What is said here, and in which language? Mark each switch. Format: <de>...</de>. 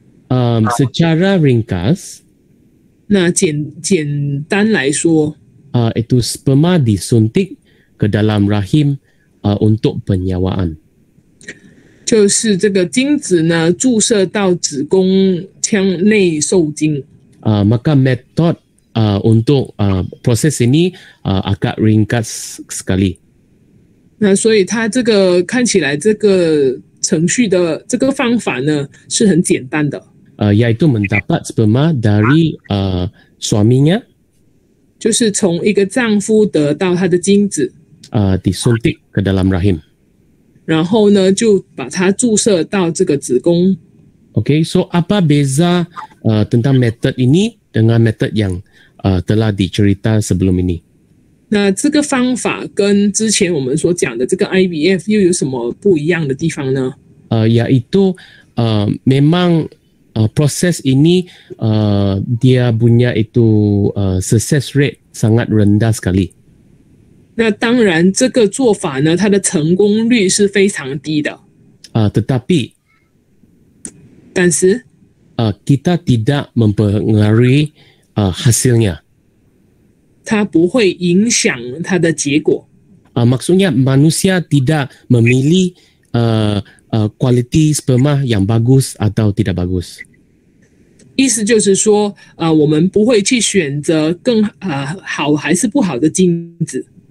<ms>Secara ringkas.</ms> <zh>那简单来说。</zh> <ms>Itu sperma disuntik ke dalam rahim untuk penyewaan.</ms> <zh>就是这个精子呢注射到子宫腔内受精。</zh> <ms>Maka metod untuk proses ini agak ringkas sekali.</ms> <zh>那所以它这个看起来这个程序的这个方法呢是很简单的。</zh> <ms>Yaitu mendapat sperma dari suaminya.</ms> <zh>就是从一个丈夫得到他的精子</zh> <ms>disuntik ke dalam rahim.</ms> <zh>然后呢就把它注射到这个子宫。</zh> <ms>Okay, so apa beza tentang method ini dengan method yang telah dicerita sebelum ini?</ms> <zh>那这个方法跟之前我们所讲的这个 IVF 又有什么不一样的地方呢</zh> <ms>yaitu memangproses ini dia punya itu</ms> <en>success rate</en> <ms>sangat rendah sekali.</ms> <zh>那当然这个做法呢，它的成功率是非常低的。</zh> <ms>Tetapi, tetapi, kita tidak mempengaruhi hasilnya.</ms> <zh>它不会影响它的结果。</zh> <ms>Maksudnya manusia tidak memilih kualiti sperma yang bagus atau tidak bagus.</ms> <zh>意思就是说, 我们不会去选择更 好还是不好的精子。</zh>